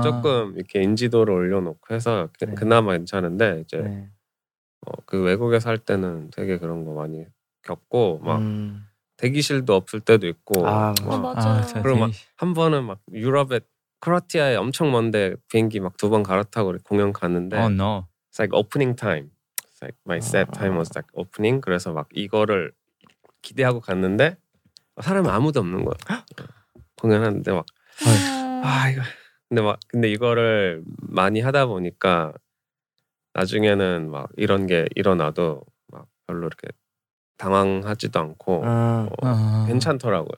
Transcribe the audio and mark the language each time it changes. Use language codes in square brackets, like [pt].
[ko] 조금 이렇게 인지도를 올려놓고 해서 네. 그나마 괜찮은데 이제 네. 어, 그 외국에서 할 때는 되게 그런 거 많이 겪고 막 대기실도 없을 때도 있고 아 맞아 아, 그리고 막 한 번은 막 유럽에 크로아티아에 엄청 먼데 비행기 막 두 번 갈아타고 공연 갔는데 [en] oh, no. It's like opening time. It's like my set time was like opening. [ko] 그래서 막 이거를 기대하고 갔는데 사람이 아무도 없는 거야. 공연하는데 막 아 이거 근데 막 근데 이거를 많이 하다 보니까 나중에는 막 이런 게 일어나도 막 별로 이렇게 당황하지도 않고 괜찮더라고요.